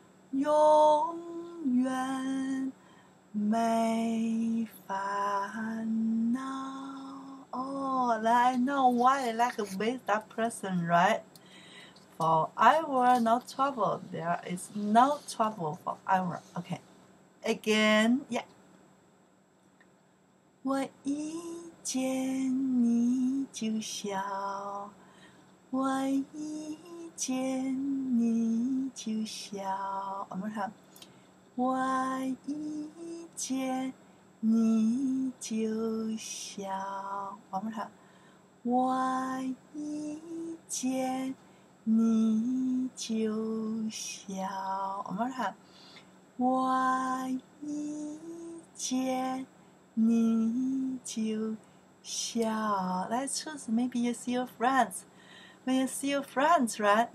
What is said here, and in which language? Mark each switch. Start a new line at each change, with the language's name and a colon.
Chinese: 永远没烦恼
English: Then I know why I like with that person, right? Forever, no trouble. There is no trouble forever. Okay. Again, yeah.
Chinese: 我一见你就笑我一见你就笑
English: One more time.
Chinese: 我一见你就笑
English: One more time.
Chinese: 我一见你就笑
English: One more time 我一见你就笑 Let's choose maybe you see your friends When you see your friends, right?